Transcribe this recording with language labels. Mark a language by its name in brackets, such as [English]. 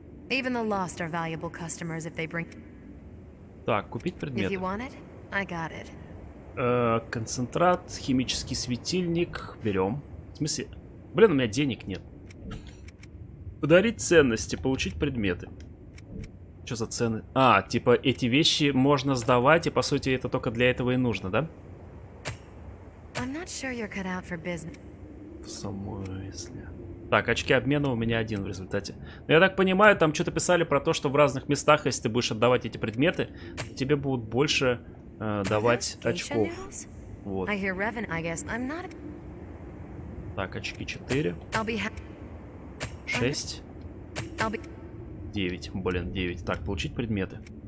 [English] Even the lost are valuable customers if they bring. [Russian] Так, купить предметы. [English] If you want it, I got it. [Russian] Концентрат, химический светильник, берем. В смысле, блин, у меня денег нет. Подарить ценности, получить предметы. Что за цены? А, типа эти вещи можно сдавать, и по сути это только для этого и нужно, да? [English] I'm not sure you're cut out for business. [Russian] В самом смысле. Так, очки обмена у меня один в результате. Но я так понимаю, там что-то писали про то, что в разных местах, если ты будешь отдавать эти предметы, тебе будут больше давать очков. Вот. Так, очки 4. 6. 9. Блин, 9. Так, получить предметы.